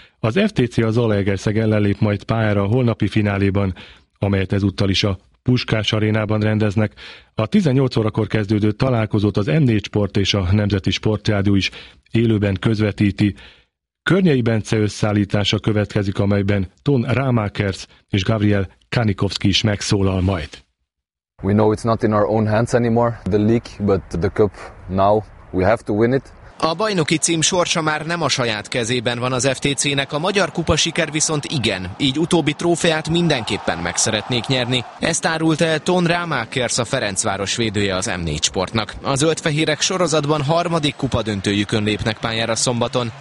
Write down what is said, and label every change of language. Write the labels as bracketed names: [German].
[Hungarian] Az FTC az Zalaegerszeg ellen lép majd pályára a holnapi fináléban, amelyet ezúttal is a Puskás Arénában rendeznek. A 18 órakor kezdődő találkozót az M4 Sport és a Nemzeti Sportrádió is élőben közvetíti. Környei Bence összeállítása következik, amelyben Ton Rámákerc és Gabriel Kanikovszki is megszólal majd. [English] We know it's not in our own hands anymore, the league, but the cup now, we have to win it. [Hungarian] A bajnoki cím sorsa már nem a saját kezében van az FTC-nek, a magyar kupa siker viszont igen, így utóbbi trófeát mindenképpen meg szeretnék nyerni. Ezt árult el Ton Rámákers, a Ferencváros védője az M4 Sportnak. A zöldfehérek sorozatban harmadik kupadöntőjükön lépnek pályára szombaton.